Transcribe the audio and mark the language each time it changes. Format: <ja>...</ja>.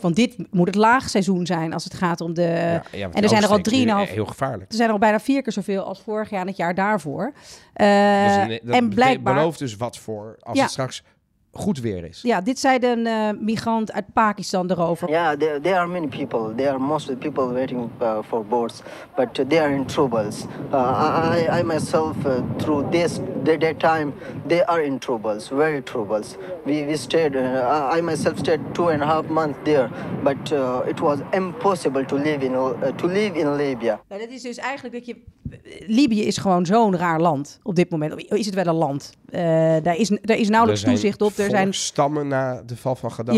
<nl>Want dit moet het laagseizoen zijn als het gaat om de. Ja, en er zijn er al 3,5. Heel gevaarlijk. Er zijn er al bijna 4 keer zoveel als vorig jaar en het jaar daarvoor. Dat belooft dus wat voor als het straks goed weer is. Ja, dit zei een migrant uit Pakistan erover.</nl> <en>Ja, there are many people. There are most of the people waiting for boats. But they are in troubles. I myself, through this, their time, they are in troubles. Very troubles. We stayed, I myself stayed 2.5 months there. But it was impossible to live in Libya.</en> <nl>Nou, dat is dus eigenlijk dat je. Libië is gewoon zo'n raar land op dit moment. Is het wel een land? Daar is nauwelijks toezicht op. Er zijn stammen na de val van Gaddafi.</nl>